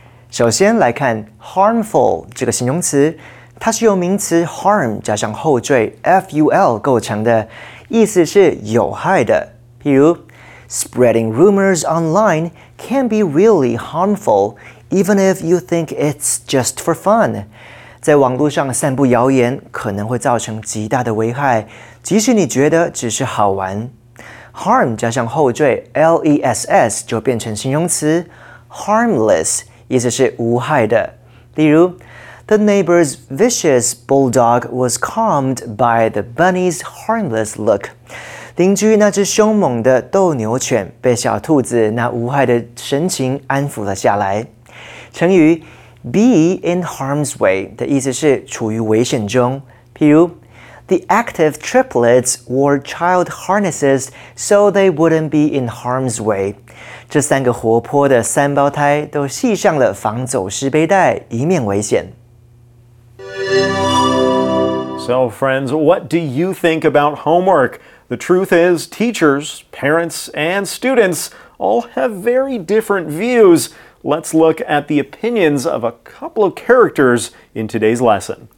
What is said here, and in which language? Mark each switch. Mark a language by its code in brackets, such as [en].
[zh] 首先来看 harmful 这个形容词，它是由名词 harm 加上后缀 ful 构成的，意思是有害的。 [en] 譬如 spreading rumors online can be really harmful, even if you think it's just for fun. [zh] 在网络上散布谣言可能会造成极大的危害，即使你觉得只是好玩。 Harm 加上后缀 less 就变成形容词 harmless， 意思是无害的。 [en] 例如 ，The neighbor's vicious bulldog was calmed by the bunny's harmless look。 [zh] 邻居那只凶猛的斗牛犬被小兔子那无害的神情安抚了下来。成语 [en] be in harm's way [zh] 的意思是处于危险中。譬如。 [en] The active triplets wore child harnesses so they wouldn't be in harm's way. [zh] 这三个活泼的三胞胎都系上了防走失背带，以免危险。 [en] So friends, what do you think about homework? The truth is, teachers, parents, and students all have very different views. Let's look at the opinions of a couple of characters in today's lesson.